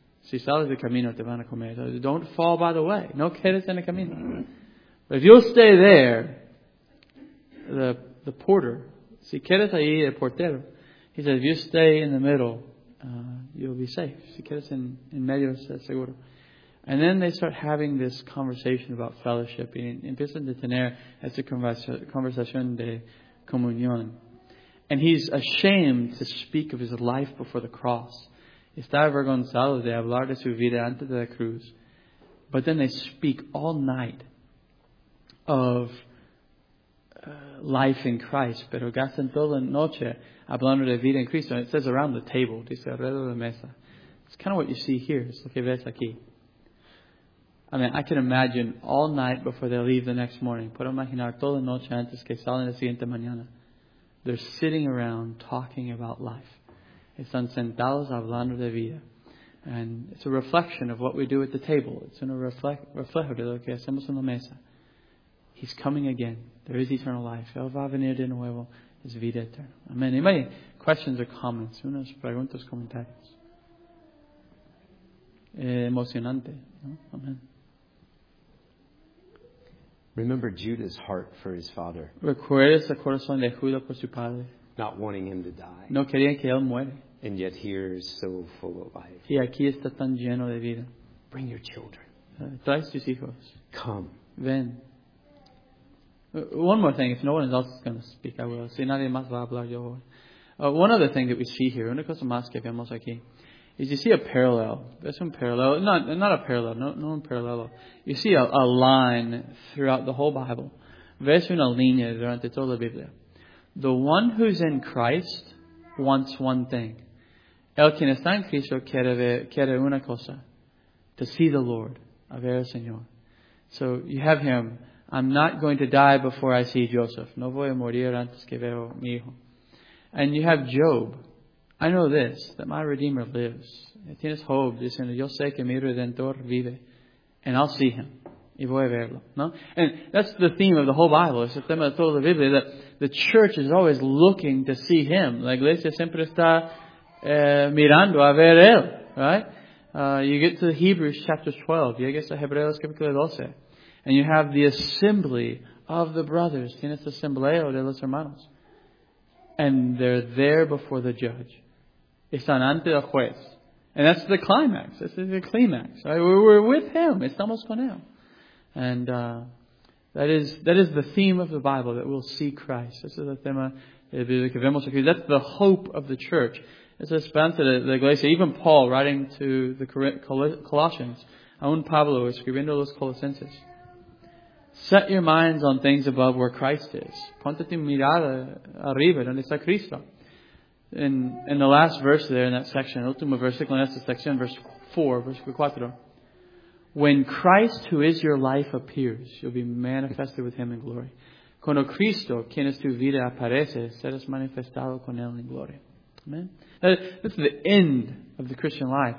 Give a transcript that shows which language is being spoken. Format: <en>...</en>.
<es>Si sales del camino, te van a comer.</es> <en>So don't fall by the way.</en> <es>No quedes en el camino.</es> <en>But if you'll stay there, the porter,</en> <es>si quedes ahí, el portero,</es> <en>he says, if you stay in the middle, you'll be safe.</en> <es>Si quedas en medio, seguro.</es> <en>And then they start having this conversation about fellowship.</en> <es>Y empiezan a tener esta conversación de comunión.</es> <en>And he's ashamed to speak of his life before the cross.</en> <es>Está avergonzado de hablar de su vida antes de la cruz.</es> <en>But then they speak all night of life in Christ.</en> <es>Pero gastan toda la noche hablando de vida en Cristo.</es> <en>And it says around the table.</en> <es>Dice alrededor de la mesa.</es> <en>It's kind of what you see here.</en> <es>Es lo que ves aquí.</es> <en>I mean, I can imagine all night before they leave the next morning.</en> <es>Puedo imaginar toda noche antes que salen la siguiente mañana.</es> <en>They're sitting around talking about life.</en> <es>Están sentados hablando de vida.</es> <en>And it's a reflection of what we do at the table. It's in a</en> <es>reflejo de lo que hacemos en la mesa.</es> <en>He's coming again. There is eternal life.</en> <es>Él va a venir de nuevo. Es vida eterna. Amen.</es> <en>Anybody? Questions or comments?</en> <es>Unas preguntas, comentarios. Emocionante. ¿No? Amen.</es> <en>Remember Judah's heart for his father.</en> <es>¿Recuerdas el corazón de Judas por su padre?</es> <en>Not wanting him to die.</en> <es>No quería que él muera.</es> <en>And yet here is so full of life.</en> <es>Y aquí está tan lleno de vida.</es> <en>Bring your children.</en> <es>Traes tus hijos.</es> <en>Come. Ven. One more thing. If no one else is going to speak, I will.</en> <es>Si nadie más va a hablar, yo voy.</es> <en>One other thing that we see here.</en> <es>Una cosa más que vemos aquí.</es> <en>Is you see a parallel. There's some parallel. No, not a parallel. You see a line throughout the whole Bible.</en> <es>Ves una línea durante toda la Biblia.</es> <en>The one who's in Christ wants one thing.</en> <es>El quien está en Cristo quiere una cosa.</es> <en>To see the Lord.</en> <es>A ver al Señor.</es> <en>So you have him. I'm not going to die before I see Joseph.</en> <es>No voy a morir antes que veo mi hijo.</es> <en>And you have Job. I know this, that my Redeemer lives.</en> <es>Tienes hope, diciendo, yo sé que mi Redentor vive.</es> <en>And I'll see him.</en> <es>Y voy a verlo. No?</es> <en>And that's the theme of the whole Bible.</en> <es>Es el tema de toda la Biblia,</es> <en>that the church is always looking to see him.</en> <es>La iglesia siempre está mirando a ver él.</es> <en>Right? You get to Hebrews chapter 12.</en> <es>Llegas a Hebreos capítulo 12.</es> <en>And you have the assembly of the brothers.</en> <es>Tienes asambleo de los hermanos.</es> <en>And they're there before the judge.</en> <es>Están ante el juez.</es> <en>And that's the climax. This is the climax. Right? We're with him.</en> <es>Estamos con él.</es> <en>And that is the theme of the Bible, that we'll see Christ.</en> <es>Eso es el tema que vemos aquí.</es> <en>That's the hope of the church.</en> <es>Es la esperanza de la iglesia.</es> <en>Even Paul, writing to the Colossians,</en> <es>aun Pablo, escribiendo los Colosenses.</es> <en>Set your minds on things above where Christ is.</en> <es>Ponte tu mirada arriba donde está Cristo.</es> <en>In the last verse there in that section,</en> <es>el último versículo en esta sección,</es> <en>verse 4,</en> <es>versículo 4.</es> <en>When Christ, who is your life, appears, you'll be manifested with him in glory.</en> <es>Cuando Cristo, quien es tu vida, aparece, serás manifestado con él en gloria.</es> <en>Amen. This is the end of the Christian life.</en>